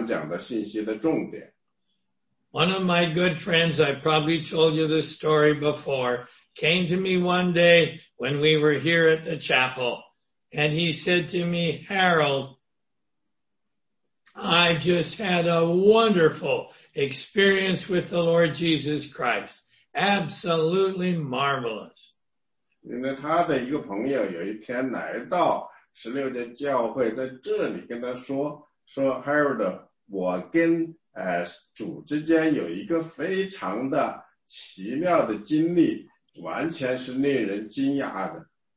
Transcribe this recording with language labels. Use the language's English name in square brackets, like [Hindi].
[Chinese] 所以呢，这里要传达的信息呢，是我们私下的和我们个人的，与主的那个关系，不是我们要传达的、传讲的信息的重点。 [English] One of my good friends, I probably told you this story before, came to me one day when we were here at the chapel, and he said to me, Harold, I just had a wonderful experience with the Lord Jesus Christ. Absolutely marvelous. [Chinese] 因为他的一个朋友有一天来到16节教会，在这里跟他说，说 Harold， 我跟主之间有一个非常的奇妙的经历，完全是令人惊讶的。